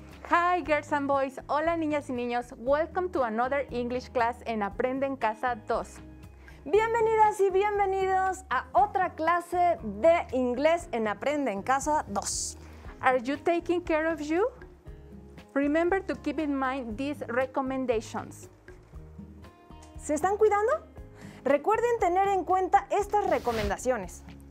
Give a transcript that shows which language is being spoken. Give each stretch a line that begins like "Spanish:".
English: Hi, girls and boys.
Spanish: Hola, niñas y niños.
English: Welcome to another English class en Aprende en Casa 2.
Spanish: Bienvenidas y bienvenidos a otra clase de inglés en Aprende en Casa 2.
English: Are you taking care of you? Remember to keep in mind these recommendations.
Spanish: ¿Se están cuidando? Recuerden tener en cuenta estas recomendaciones.